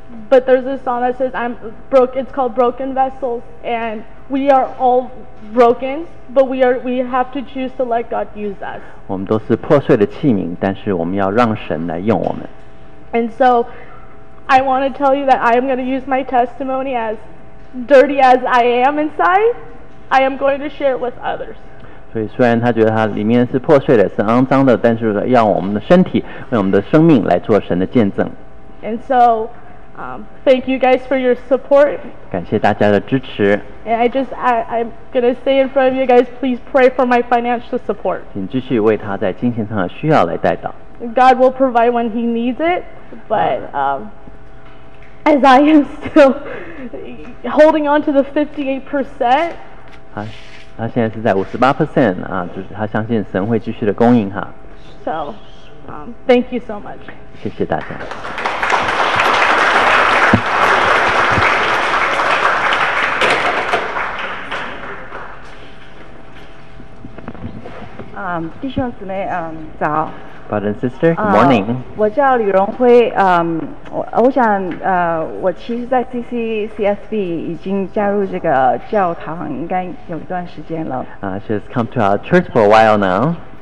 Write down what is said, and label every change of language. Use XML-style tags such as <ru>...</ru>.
<en>But there's a song that says I'm broke. It's called Broken Vessels, and we are all broken, but we have to choose to let God use us.</en> <zh>我们都是破碎的器皿，但是我们要让神来用我们。</zh> <en>And so, I want to tell you that I am going to use my testimony as dirty as I am inside. I am going to share it with others.</en> <zh>所以虽然他觉得他里面是破碎的，是肮脏的，但是要我们的身体，为我们的生命来做神的见证。</zh> <en>And so, thank you guys for your support.</en> <zh>感谢大家的支持。</zh> <en>And I'm going to say in front of you guys, please pray for my financial support.</en> <zh>请继续为他在金钱上的需要来代祷。</zh> <en>God will provide when he needs it, but as I am still holding on to the 58%,</en> <zh>他现在是在 58% 啊，就是他相信神会继续的供应哈。</zh> <en>So, thank you so much.</en> <zh>谢谢大家。弟兄姊妹，早。</zh> <en>Brother and sister, good morning.</en> <zh>我叫李荣辉，我想，我其实在 CCCSB 已经加入这个教堂应该有一段时间了。</zh> <en>She's come to our church for a while now.</en>